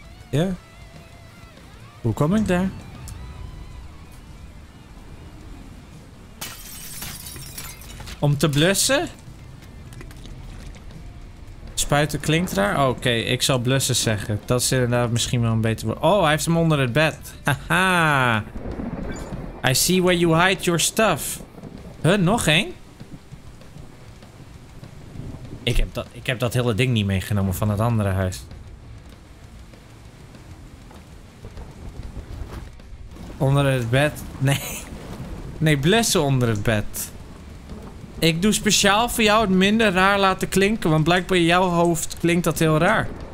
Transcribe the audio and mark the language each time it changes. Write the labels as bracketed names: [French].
[Dutch] Ja. Yeah. Hoe kom ik daar? Om te blussen? Spuiten klinkt raar. Oké, okay, ik zal blussen zeggen. Dat is inderdaad misschien wel een beter woord. Oh, hij heeft hem onder het bed. [English] Haha. I see where you hide your stuff. [Dutch] Huh, nog één? Ik heb dat hele ding niet meegenomen van het andere huis. Onder het bed? Nee, blessen onder het bed. Ik doe speciaal voor jou het minder raar laten klinken, want blijkbaar in jouw hoofd klinkt dat heel raar.